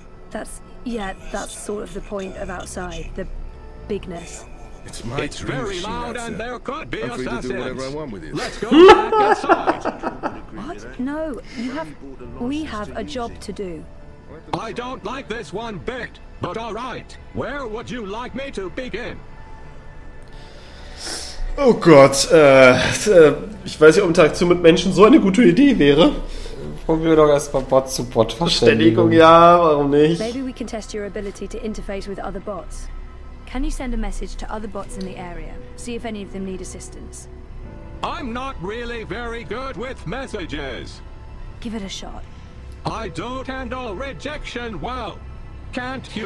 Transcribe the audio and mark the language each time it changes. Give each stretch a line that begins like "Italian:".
English: That's sort of the point of outside, the bigness. It's my it's dream, very loud outside. And there could be assassins. I'm free to do whatever I want with you. Let's go back outside. What? No, we have a job to do. I don't like this one bit, but all right. Where would you like me to begin?
German: Oh Gott, ich weiß nicht, ob Interaktion mit Menschen so eine gute Idee wäre. Probieren wir doch erstmal Bot zu Bot. Verständigung, ja, warum nicht?
English: Maybe we can test your ability to interface with other bots. Can you send a message to other bots in the area? See if any of them need assistance. I'm not really very good with messages. Give it a shot. I don't handle rejection well. Can't you